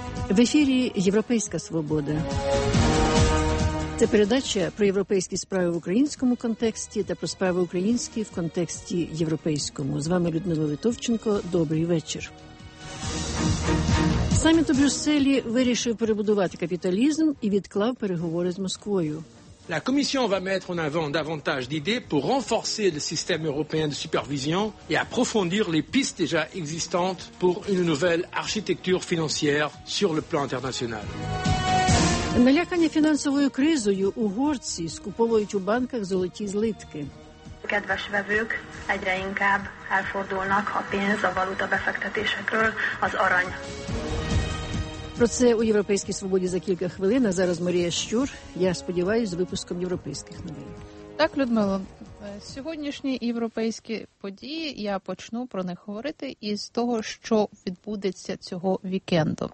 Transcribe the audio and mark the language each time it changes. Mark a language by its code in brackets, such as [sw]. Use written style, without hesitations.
[uk] В ефірі «Європейська свобода». Це передача про європейські справи в українському контексті та про справи українські в контексті європейському. З вами Людмила Литовченко. Добрий вечір. Саміт у Брюсселі вирішив перебудувати капіталізм і відклав переговори з Москвою. [fr] La commission va mettre en avant davantage d'idées pour renforcer le système européen de supervision et approfondir les pistes déjà existantes pour une nouvelle architecture financière sur le plan international. [uk] Налякані фінансовою кризою угорці скуповують у банках золоті злитки. [hu] Kedves vevők, egyre inkább elfordulnak a pénz, a valuta befektetésekről az arany. [uk] Про це у Європейській свободі за кілька хвилин. А зараз Марія Щур. Я сподіваюся, з випуском європейських новин. Так, Людмила, сьогоднішні європейські події, я почну про них говорити із того, що відбудеться цього вікенду.